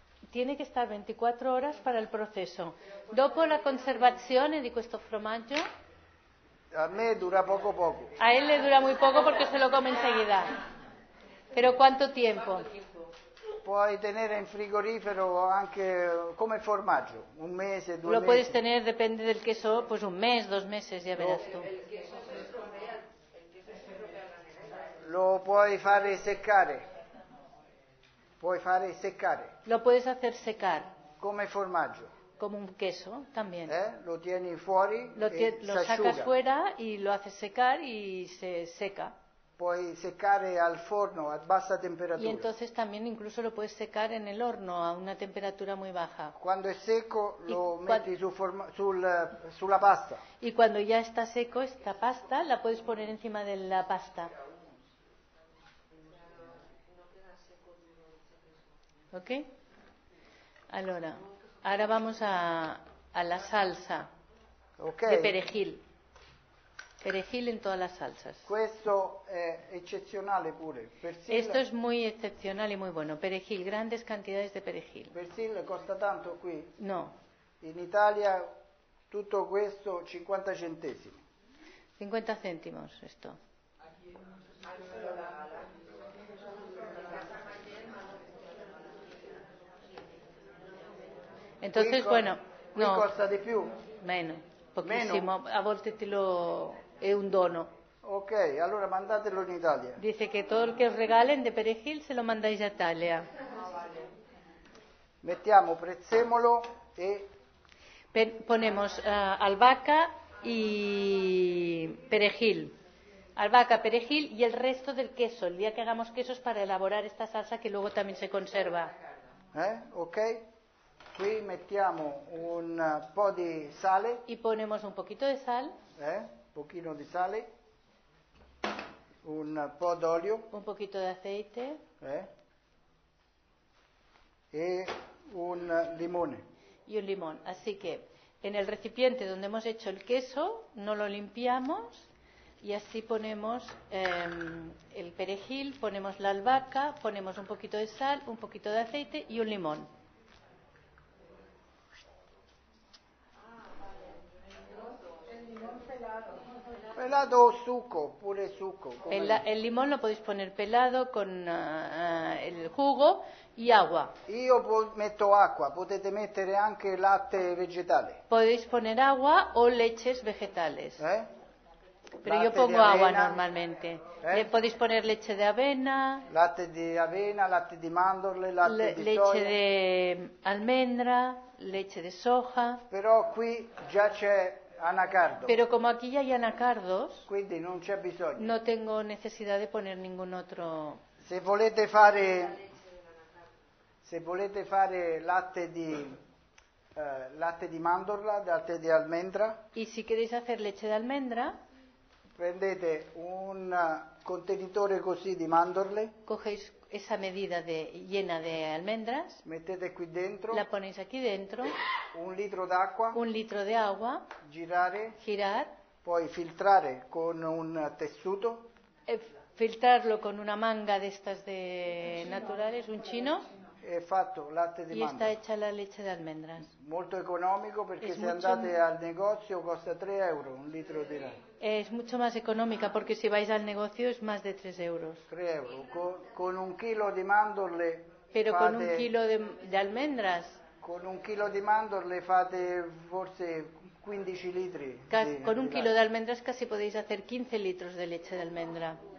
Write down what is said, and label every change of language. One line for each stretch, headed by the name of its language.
Spanish: Tiene que estar 24 horas para el proceso.
Italian: Dopo la conservazione di questo formaggio. A me dura poco poco.
Spanish: A él le dura muy poco porque se lo come enseguida. Pero ¿cuánto tiempo?
Italian: Puoi tenere in frigorifero anche come formaggio, un mese, due
Spanish: lo Lo puedes tener, depende del queso, pues un mes, dos meses, ya verás tú.
Italian: Lo puoi fare seccare. Puoi fare seccare.
Spanish: Lo puedes hacer secar.
Italian: Come formaggio.
Spanish: Como un queso, también.
Italian: Lo tieni fuori
Spanish: lo sacas fuera y lo haces secar y se seca.
Italian: Puoi seccare al forno a bassa temperatura.
Spanish: Y entonces también incluso lo puedes secar en el horno a una temperatura muy baja. Cuando es seco
Italian: lo metti sulla pasta.
Spanish: Y cuando ya está seco esta pasta la puedes poner encima de la pasta. ¿Ok? Allora, ahora vamos a la salsa. Okay. De perejil. Perejil en todas las salsas.
Italian: Questo è eccezionale pure. Persil.
Spanish: Esto es muy excepcional y muy bueno. Perejil, grandes cantidades de perejil.
Italian: Persil costa tanto qui? No. In Italia tutto questo 50 centesimi.
Spanish: 50 céntimos esto. Entonces, bueno, no.
Italian: Qui costa di più? Meno, pochissimo. A volte te lo... È un dono. Ok, allora mandatelo in Italia.
Spanish: Dice che
Italian: tutto il che
Spanish: regalen de perejil se lo mandáis a Italia.
Italian: Mettiamo prezzemolo e...
Spanish: Ponemos albahaca y perejil. Albahaca, perejil y el resto del queso. El día que hagamos queso es para elaborar esta salsa que luego también se conserva. Ok.
Italian: Qui mettiamo un po' di sale.
Spanish: Y ponemos un poquito de sal.
Italian: Un pochino di sale, un po' d'olio, un pochino di aceite, e un limone.
Spanish: Y un limón. Así que en el recipiente donde hemos hecho el queso, no lo limpiamos, y así ponemos el perejil, ponemos la albahaca, ponemos un poquito de sal, un poquito de aceite y un limón.
Italian: Pelado o suco, pure suco.
Spanish: El limón lo podéis poner pelado con el jugo y agua.
Italian: Io metto acqua, potete mettere anche latte vegetale.
Spanish: Podéis poner agua o leches vegetales. Pero
Italian: latte
Spanish: yo pongo avena, agua normalmente. Le podéis poner leche de avena.
Italian: Latte di avena, latte di mandorle, latte di
Spanish: leche
Italian: soia.
Spanish: Leche de almendra, leche de soja.
Italian: Però qui già c'è anacardo.
Spanish: Pero como aquí ya hay anacardos,
Italian: quindi non c'è bisogno.
Spanish: No tengo necesidad de poner ningún otro.
Italian: Se volete fare, se volete fare latte di latte di mandorla, latte di almendra.
Spanish: Y si queréis hacer leche de almendra,
Italian: prendete un contenitore così di mandorle.
Spanish: Cogéis esa medida de llena de almendras.
Italian: Mettete qui dentro.
Spanish: La ponéis aquí dentro.
Italian: Un litro d'acqua.
Spanish: Un litro de agua.
Italian: Girare.
Spanish: Girar.
Italian: Poi filtrare con un tessuto.
Spanish: Filtrarlo con una manga de estas de naturales, un chino.
Italian: È fatto latte di mandorla.
Spanish: Y está hecha la leche de almendras.
Italian: Molto economico perché es se andate al negozio costa 3 euro un litro di latte.
Spanish: Es mucho más económica porque si vais al negocio es más de 3 euros.
Italian: 3 euro. Con un chilo di mandorle.
Spanish: Pero
Italian: fate,
Spanish: con un chilo de almendras.
Italian: Con un chilo di mandorle fate forse 15 litri.
Spanish: Con un chilo di almendras casi podéis hacer 15 litros de leche de almendra.